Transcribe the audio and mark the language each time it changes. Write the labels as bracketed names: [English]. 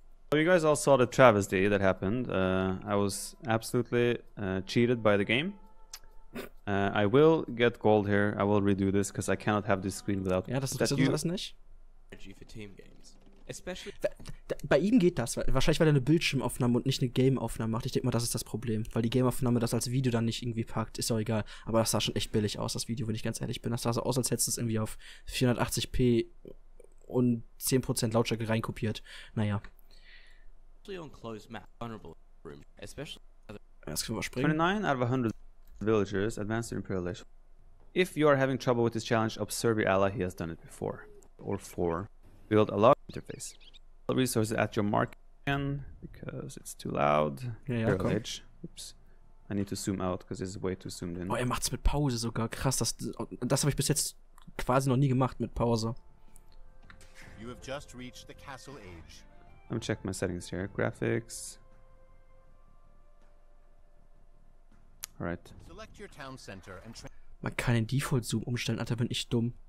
[English] So, you guys all saw the travesty that happened. I was absolutely cheated by the game. I will get gold here. I will redo this, because I cannot have this screen without. [German] Ja, das ist das nicht. [English] For team games. Especially [German] bei ihm geht das. Wahrscheinlich, weil er eine Bildschirmaufnahme und nicht eine Gameaufnahme macht. Ich denke mal, das ist das Problem. Weil die Gameaufnahme das als Video dann nicht irgendwie packt. Ist auch egal. Aber das sah schon echt billig aus, das Video, wenn ich ganz ehrlich bin. Das sah so aus, als hättest du es irgendwie auf 480p und 10% Lautstärke reinkopiert. Naja. Das können wir springen. [English] 29 out of 100 villagers advanced to Imperial Legion. If you are having trouble with this challenge, observe your ally. He has done it before. Or four. Build a large interface. All resources at your mark again, because it's too loud. [German] Ja, ja, komm. Oops. [English] I need to zoom out, because it's way too zoomed in. [German] Oh, er macht's mit Pause sogar. Krass, das habe ich bis jetzt quasi noch nie gemacht mit Pause. [English] You have just reached the castle age. I'm checking my settings here. Graphics. Alright. Select your town center and [German] man kann den Default-Zoom umstellen, Alter, bin ich dumm.